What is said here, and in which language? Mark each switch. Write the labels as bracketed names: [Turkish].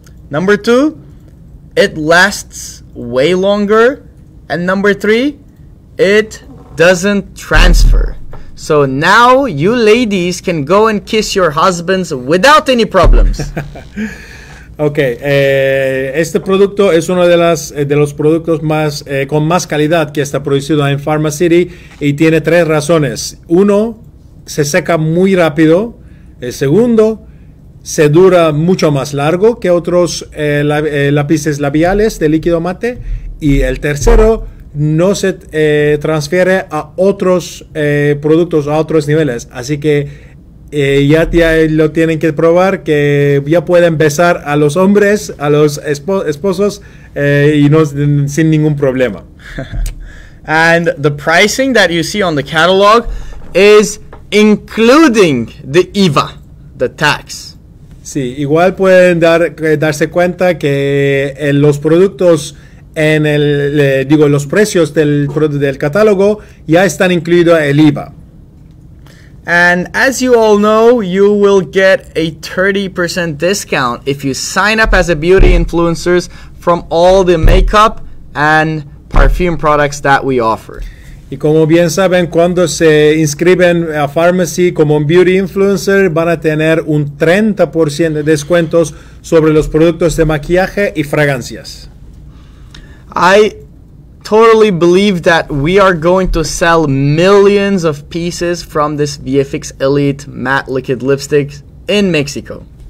[English] Number two, it lasts way longer. And number three, it doesn't transfer. So now you ladies can go and kiss your husbands without any problems. [Spanish] Okay, este producto es uno de los productos más con más calidad que está producido en Farmasi y tiene tres razones. Uno, se seca muy rápido. El segundo, se dura mucho más largo que otros lápices labiales de líquido mate. Y el tercero, no se transfiere a otros productos, a otros niveles. Así que ya lo tienen que probar, que ya pueden besar a los hombres, a los esposos, y no sin ningún problema. [English] And the pricing that you see on the catalog is including the IVA, the tax. [Spanish] Sí, igual pueden darse cuenta que los productos en el, digo, los precios del catálogo ya están incluidos el IVA. [English] And as you all know, you will get a 30% discount if you sign up as a beauty influencers from all the makeup and perfume products that we offer. [Spanish] Y como bien saben, cuando se inscriben a Farmasi como un beauty influencer, van a tener un 30% de descuentos sobre los productos de maquillaje y fragancias. [English] I totally believe that we are going to sell millions of pieces from this VFX Elite Matte Liquid Lipstick in Mexico.